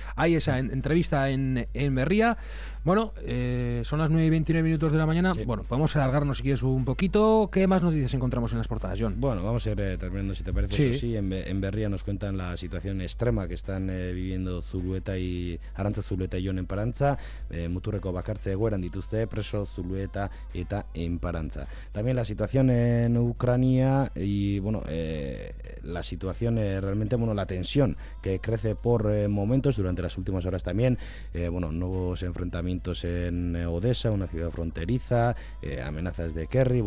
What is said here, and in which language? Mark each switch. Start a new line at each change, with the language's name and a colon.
Spanish: Hay esa entrevista en Berria. Bueno, son las 9:29 minutos de la mañana. Sí. Bueno, podemos alargarnos si quieres un poquito. ¿Qué más noticias encontramos en las portadas, John? Bueno, vamos a ir terminando, si te parece. Sí. Eso sí, en Berria nos cuentan la situación extrema que están viviendo Arantza Zulueta y John en Parantza.
Basque: Muturreko bakartze egoeran dituzte preso Zulueta eta Enparantza.
Spanish: También la situación en Ucrania y, bueno, la situación realmente, bueno, la tensión que crece por momentos durante las últimas horas también. Bueno, nuevos enfrentamientos en Odessa, una ciudad fronteriza, amenazas de Kerry.